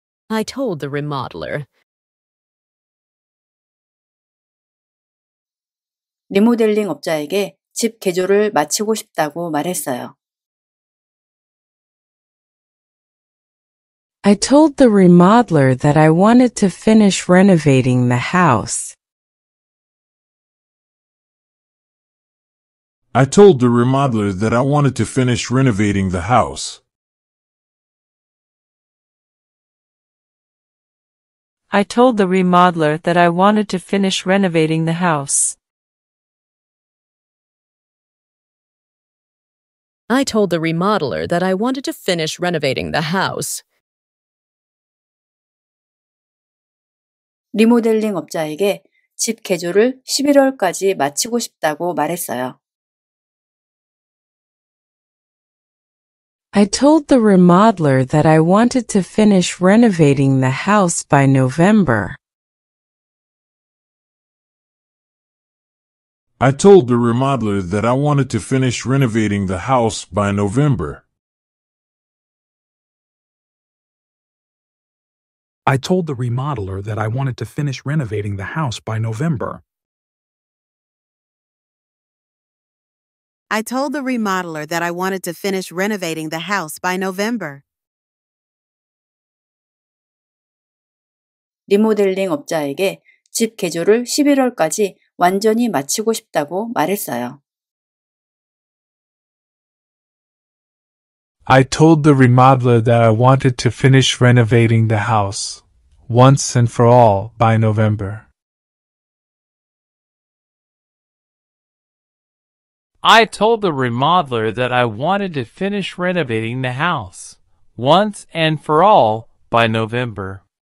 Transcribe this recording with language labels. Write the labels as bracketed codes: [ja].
[en] I told the remodeler. [ko] 리모델링 업자에게 집 개조를 마치고 싶다고 말했어요. [en] I told the remodeler that I wanted to finish renovating the house. I told the remodeler that I wanted to finish renovating the house. I told the remodeler that I wanted to finish renovating the house. I told the remodeler that I wanted to finish renovating the house. [ko] 리모델링 업자에게 집 개조를 11월까지 마치고 싶다고 말했어요. [en] I told the remodeler that I wanted to finish renovating the house by November. I told the remodeler that I wanted to finish renovating the house by November. I told the remodeler that I wanted to finish renovating the house by November. I told the remodeler that I wanted to finish renovating the house by November. [ko] 리모델링 업자에게 집 개조를 11월까지 완전히 마치고 싶다고 말했어요. [en] I told the remodeler that I wanted to finish renovating the house once and for all by November. I told the remodeler that I wanted to finish renovating the house once and for all by November.